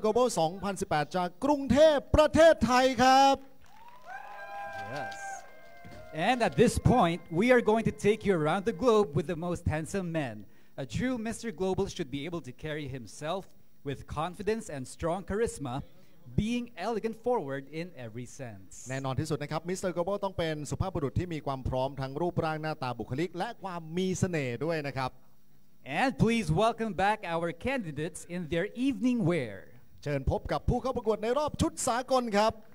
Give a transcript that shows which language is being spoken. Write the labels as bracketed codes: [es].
[th] Global 2018จากกรุงเทพประเทศไทยครับ [en] Yes. And at this point, we are going to take you around the globe with the most handsome men. A true Mr. Global should be able to carry himself with confidence and strong charisma. Being elegant forward in every sense. [th] แน่นอนที่สุดนะครับ Mr. Global ต้องเป็นสุภาพบุรุษที่มีความพร้อมทั้งรูปร่างหน้าตาบุคลิกและความมีเสน่ห์ด้วยนะครับ [en] And please welcome back our candidates in their evening wear. [th] เชิญพบกับผู้เข้าประกวดในรอบชุดสากลครับ